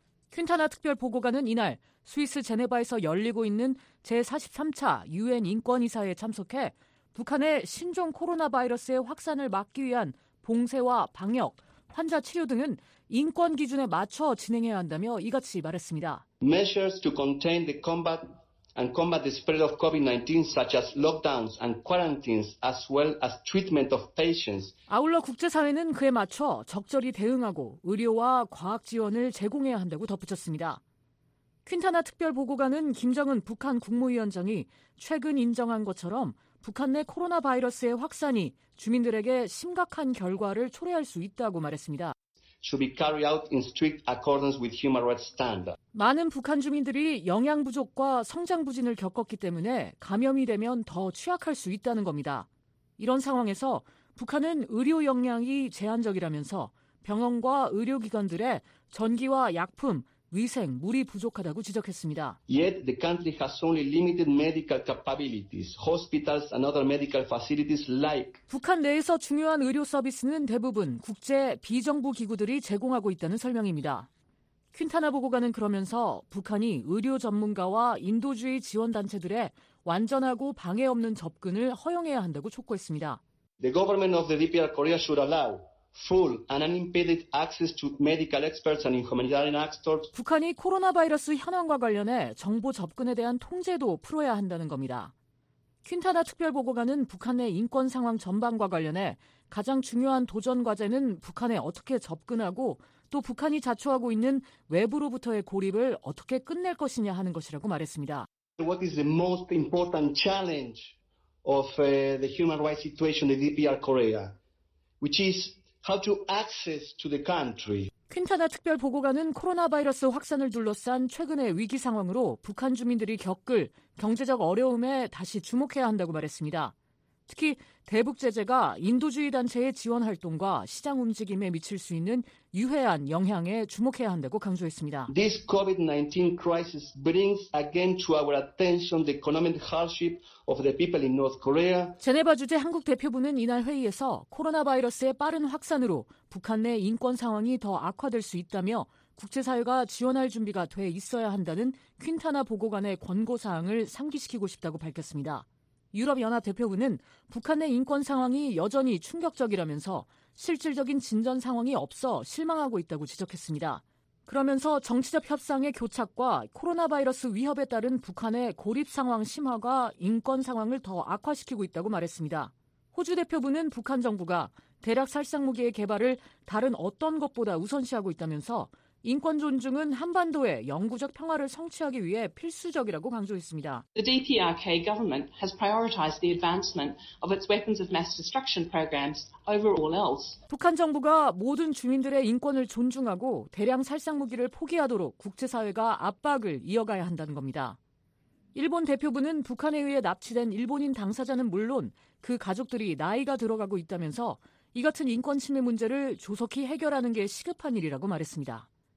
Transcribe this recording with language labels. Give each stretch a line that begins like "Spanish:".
Korean: 킨타나 특별보고관은 이날 스위스 제네바에서 열리고 있는 제43차 유엔 인권이사회에 참석해 북한의 신종 코로나 바이러스의 확산을 막기 위한 봉쇄와 방역, 환자 치료 등은 인권 기준에 맞춰 진행해야 한다며 이같이 말했습니다.
English: Measures to contain the combat and combat the spread of COVID-19 such as lockdowns and quarantines as well as treatment of patients.
Korean: 아울러 국제사회는 그에 맞춰 적절히 대응하고 의료와 과학 지원을 제공해야 한다고 덧붙였습니다. 퀸타나 특별보고관은 김정은 북한 국무위원장이 최근 인정한 것처럼 북한 내 코로나 바이러스의 확산이 주민들에게 심각한 결과를 초래할 수 있다고 말했습니다.
English: Should be carried out in strict accordance with human rights standards.
Korean: 많은 북한 주민들이 영양 부족과 성장 부진을 겪었기 때문에 감염이 되면 더 취약할 수 있다는 겁니다. 이런 상황에서 북한은 의료 역량이 제한적이라면서 병원과 의료기관들의 전기와 약품, 위생, 물이 부족하다고 지적했습니다.
English: Yet the country has only limited medical capabilities. Hospitals and other medical facilities like
Korean: 북한 내에서 중요한 의료 서비스는 대부분 국제 비정부 기구들이 제공하고 있다는 설명입니다. 퀸타나 보고관은 그러면서 북한이 의료 전문가와 인도주의 지원 단체들의 완전하고 방해 없는 접근을 허용해야 한다고 촉구했습니다.
English: The government of the DPR Korea should allow full and unimpeded access to medical experts and humanitarian actors.
Korean: 북한이 코로나 바이러스 현황과 관련해 정보 접근에 대한 통제도 풀어야 한다는 겁니다. 퀸타나 특별보고관은 북한의 인권 상황 전반과 관련해 가장 중요한 도전 과제는 북한에 어떻게 접근하고 또 북한이 자초하고 있는 외부로부터의 고립을 어떻게 끝낼 것이냐 하는 것이라고 말했습니다.
English: What is the most important challenge of the human rights situation in DPR Korea, which is how to access to the country.
Korean: 퀸타나 특별 보고관은 코로나 바이러스 확산을 둘러싼 최근의 위기 상황으로 북한 주민들이 겪을 경제적 어려움에 다시 주목해야 한다고 말했습니다. 특히 대북 제재가 인도주의 단체의 지원 활동과 시장 움직임에 미칠 수 있는 유해한 영향에 주목해야 한다고 강조했습니다.
English: This COVID-19 crisis brings again to our attention the economic hardship of the people in North Korea.
Korean: 제네바 주재 한국 대표부는 이날 회의에서 코로나 바이러스의 빠른 확산으로 북한 내 인권 상황이 더 악화될 수 있다며 국제사회가 지원할 준비가 돼 있어야 한다는 퀸타나 보고관의 권고 사항을 상기시키고 싶다고 밝혔습니다. 유럽연합 대표부는 북한의 인권 상황이 여전히 충격적이라면서 실질적인 진전 상황이 없어 실망하고 있다고 지적했습니다. 그러면서 정치적 협상의 교착과 코로나 바이러스 위협에 따른 북한의 고립 상황 심화가 인권 상황을 더 악화시키고 있다고 말했습니다. 호주 대표부는 북한 정부가 대략 살상 무기의 개발을 다른 어떤 것보다 우선시하고 있다면서 인권 존중은 한반도의 영구적 평화를 성취하기 위해 필수적이라고 강조했습니다.
English: The DPRK government has prioritized the advancement of its weapons of mass destruction programs over all else.
Korean: 북한 정부가 모든 주민들의 인권을 존중하고 대량 살상 무기를 포기하도록 국제사회가 압박을 이어가야 한다는 겁니다. 일본 대표부는 북한에 의해 납치된 일본인 당사자는 물론 그 가족들이 나이가 들어가고 있다면서 이 같은 인권 침해 문제를 조속히 해결하는 게 시급한 일이라고 말했습니다.